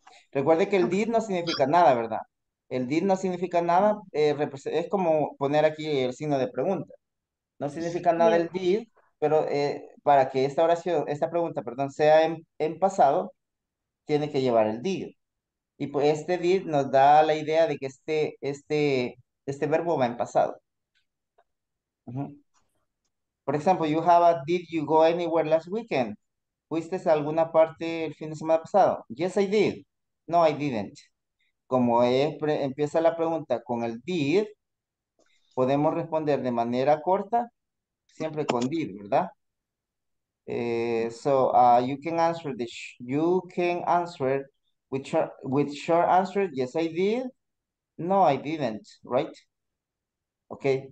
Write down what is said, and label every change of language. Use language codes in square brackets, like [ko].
[es] Recuerde que el did no significa nada, ¿verdad? El did no significa nada, es como poner aquí el signo de pregunta. No significa nada el did, pero para que esta pregunta, perdón, sea en pasado, tiene que llevar el did. Y pues este did nos da la idea de que este verbo va en pasado. Por ejemplo, [en] you have a did you go anywhere last weekend? [es] ¿Fuiste a alguna parte el fin de semana pasado? [en] Yes, I did. No, I didn't. [es] Como empieza la pregunta con el did, podemos responder de manera corta, siempre con did, ¿verdad? [en] You can answer with short answer. Yes, I did. No, I didn't. Right? Okay.